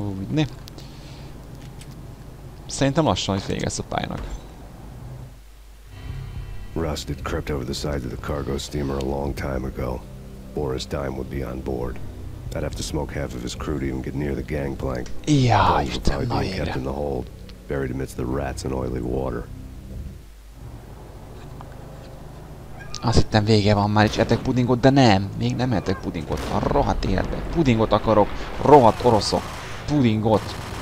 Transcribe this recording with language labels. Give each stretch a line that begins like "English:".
Hungarian: Ne. Szerintem lassan, hogy vége lesz a pályának.
English: Rusted crept over the side of the cargo steamer a long time ago. Boris Dime would be on board. I'd have to smoke half of his crew to even get near the gangplank.
Hungarian: Jaj, Istenem, majd!
English: Kept in the hold, buried amidst the rats and oily water.
Hungarian: Azt hittem vége van, már is etek pudingot, de nem! Még nem etek pudingot, a rohadt életbe! Pudingot akarok, rohadt oroszok! Pudingot!